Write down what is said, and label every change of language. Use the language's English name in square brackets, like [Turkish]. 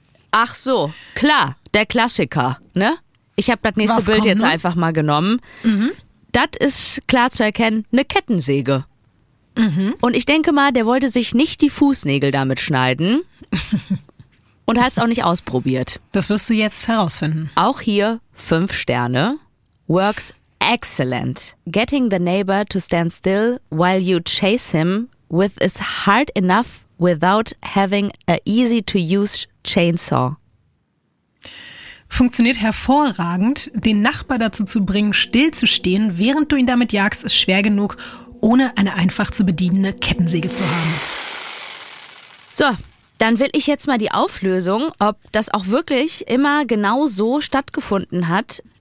[German] Ach so, klar, der Klassiker, ne? Ich habe das nächste Bild jetzt einfach mal genommen. Mhm. Das ist klar zu erkennen, eine Kettensäge. Mhm. Und ich denke mal, der wollte sich nicht die Fußnägel damit schneiden und hat es auch nicht ausprobiert. Das wirst du jetzt herausfinden. Auch hier 5 Sterne. [English] Works excellent. Getting the neighbor to stand still while you chase him with is hard enough without having an easy-to-use chainsaw. [German] Funktioniert hervorragend. Den Nachbar dazu zu bringen, stillzustehen, während du ihn damit jagst, ist schwer genug, ohne eine einfach zu bedienende Kettensäge zu haben. So, dann will ich jetzt mal die Auflösung, ob das auch wirklich immer genau so stattgefunden hat.